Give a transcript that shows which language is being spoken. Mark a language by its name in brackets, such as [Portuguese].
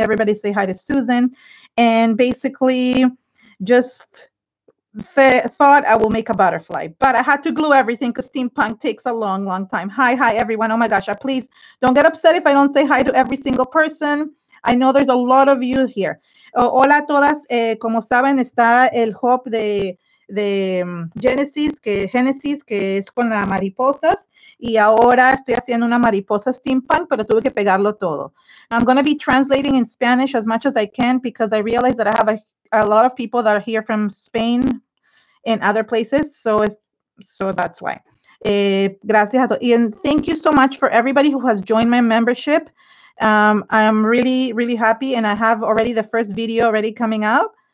[English] Everybody say hi to Susan. And basically just thought I will make a butterfly, but I had to glue everything because steampunk takes a long, long time. Hi, hi, everyone. Oh my gosh, please don't get upset if I don't say hi to every single person. I know there's a lot of you here. [Spanish] Hola a todas. Como saben, está el hop de Genesis, que es con las mariposas. Y ahora estoy haciendo una mariposa steampunk, pero tuve que pegarlo todo. [English] I'm going to be translating in Spanish as much as I can because I realize that I have a lot of people that are here from Spain and other places. So that's why. [Spanish] Gracias a todos. [English] And thank you so much for everybody who has joined my membership. I'm really, really happy. And I have already the first video already coming out.